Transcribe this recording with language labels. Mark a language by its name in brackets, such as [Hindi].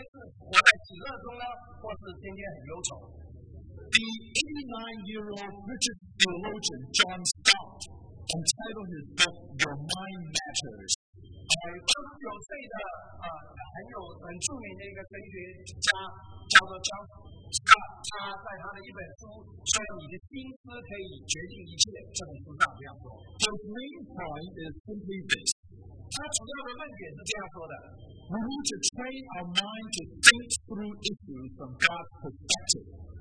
[Chinese] 因为这个就会决定你到底每天是活在喜乐中呢，或是天天很忧愁。 [English] The 89-year-old British theologian John Stott entitled his book Your Mind Matters. [Chinese] 89岁的很著名的一个神学家叫做 John Stott， 他在他的一本书《说你的心思可以决定一切》这本书上这样说。 [English] The main point is simply this. [Chinese] 他主要的论点是这样说的。 [English] We need to train our mind to think through issues from God's perspective.